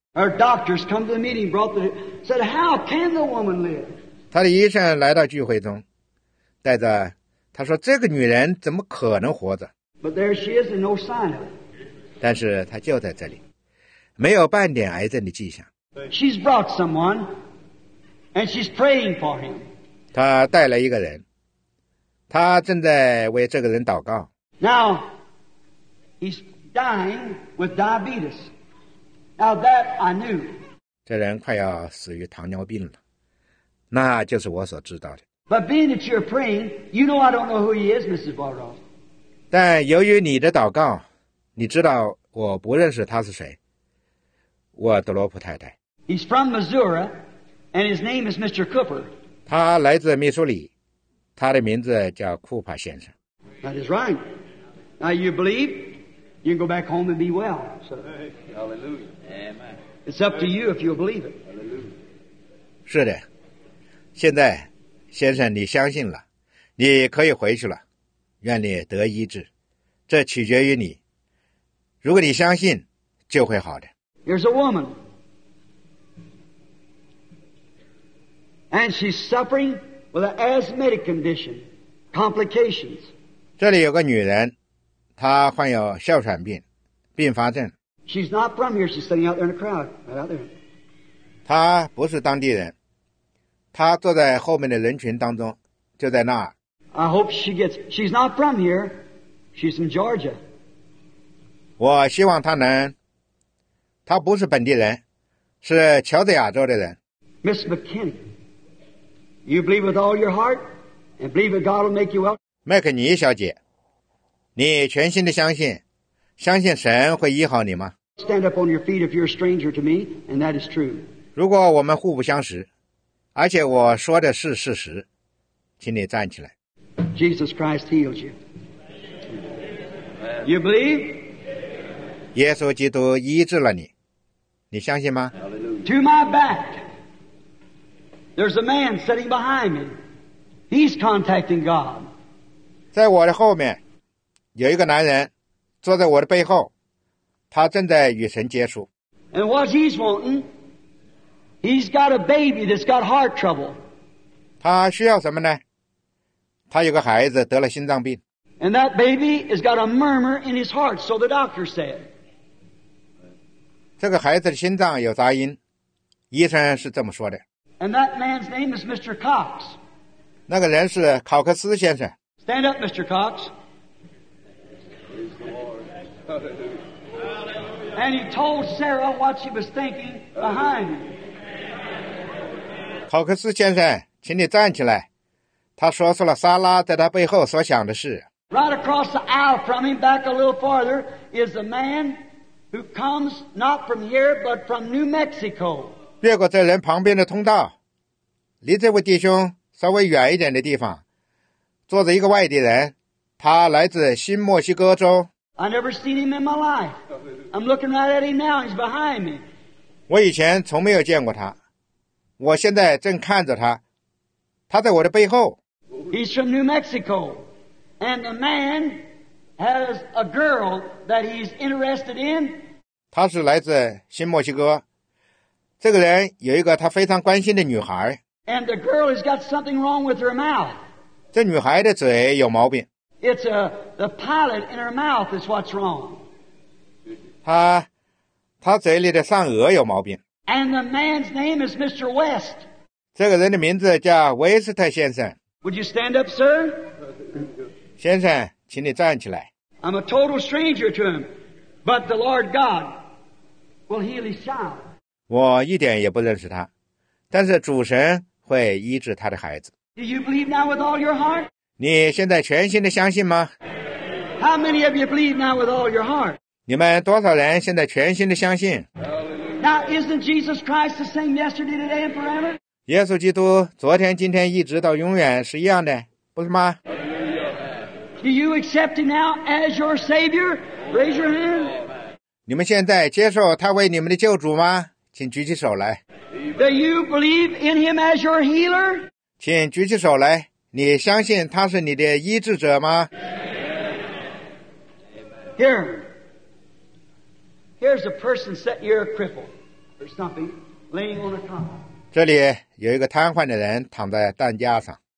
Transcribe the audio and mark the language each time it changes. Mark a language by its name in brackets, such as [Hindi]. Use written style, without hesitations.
[English] Our doctors come to the meeting, brought the said, "How can the woman live?" [Chinese] 她的医生来到聚会中，带着她说：“这个女人怎么可能活着 [English] ？”But there she is, and no sign of it. [Chinese] 但是她就在这里，没有半点癌症的迹象。 [English] She's brought someone. And she's praying for him. [Chinese] 她带了一个人，她正在为这个人祷告。 [English] Now, He's dying with diabetes. Now that I knew. [Chinese] 这人快要死于糖尿病了，那就是我所知道的。 [English] But being that you're praying, you know I don't know who he is, Mrs. Barroff. [Chinese] 但由于你的祷告，你知道我不认识他是谁，沃德罗普太太。 [English] He's from Missouri, and his name is Mr. Cooper. [Chinese] 他来自密苏里，他的名字叫库帕先生。 [English] That is right. Now you believe, you can go back home and be well. So, hallelujah. Amen. It's up to you if you believe it. Hallelujah. [Chinese] 是的，现在。先生你相信了，你可以回去了，愿你得医治，这取决于你，如果你相信就会好的。 [English] Here's a woman and she's suffering with an asthmatic condition, complications. [Chinese] 这里有个女人，她患有哮喘病并发症。 [English] She's not from here, she's sitting out there in a crowd, right out there. [Chinese] 她不是当地人，他坐在后面的人群当中，就在那儿。 [English] I hope she gets. She's not from here. She's from Georgia. [Chinese] 我希望他能。他不是本地人，是乔治亚州的人。 [English] Miss McKinney, you believe with all your heart, and believe that God will make you well. [Chinese] 麦克尼小姐，你全心的相信，相信神会医好你吗 [English] ？Stand up on your feet if you're a stranger to me, and that is true. [Chinese] 如果我们互不相识。而且我说的是事实，请你站起来。 [English] Jesus Christ healed you. You believe? [Chinese] 耶稣基督医治了你，你相信吗 [English] ？To my back, there's a man sitting behind me. He's contacting God. [Chinese] 在我的后面，有一个男人坐在我的背后，他正在与神接触。 [English] And what he's wanting? He's got a baby that's got heart trouble. [Chinese] 他需要什么呢？他有个孩子得了心脏病。 [English] And that baby has got a murmur in his heart, so the doctor said. [Chinese] 这个孩子的心脏有杂音，医生是这么说的。 [English] And that man's name is Mr. Cox. [Chinese] 那个人是考克斯先生。 [English] Stand up, Mr. Cox. And he told Sarah what she was thinking behind him. [Chinese] 考克斯先生，请你站起来。他说出了莎拉在他背后所想的事。 [English] Right across the aisle from him, back a little farther, is a man who comes not from here but from New Mexico. [Chinese] 越过这人旁边的通道，离这位弟兄稍微远一点的地方，坐着一个外地人，他来自新墨西哥州。 [English] I never seen him in my life. I'm looking right at him now. He's behind me. [Chinese] 我以前从没有见过他。我现在正看着他，他在我的背后。 [English] He's from New Mexico, and the man has a girl that he's interested in. [Chinese] 他是来自新墨西哥，这个人有一个他非常关心的女孩。 [English] And the girl has got something wrong with her mouth. [Chinese] 这女孩的嘴有毛病。 [English] It's the palate in her mouth is what's wrong. [Chinese] 他嘴里的上颚有毛病。 [English] And the man's name is Mr. West. [Chinese] 这个人的名字叫威斯特先生。 [English] Would you stand up, sir? [Chinese] 先生，请你站起来。 [English] I'm a total stranger to him, but the Lord God will heal his child. [Chinese] 我一点也不认识他，但是主神会医治他的孩子。 [English] Do you believe now with all your heart? [Chinese] 你现在全心的相信吗 [English] ？How many of you believe now with all your heart? [Chinese] 你们多少人现在全心的相信？ [English] Now, isn't Jesus Christ the same yesterday, today, and forever? [Chinese] 耶稣基督昨天、今天、一直到永远是一样的，不是吗 [English] ？Do you accept him now as your Savior? Raise your hand. [Chinese] 你们现在接受他为你们的救主吗？请举起手来。 Do you believe in him as your healer? 请举起手来。你相信他是你的医治者吗 [English] ？Here. Here's a person sitting here, a cripple, or something, laying on a cot. [Chinese] 这里有一个瘫痪的人躺在担架上。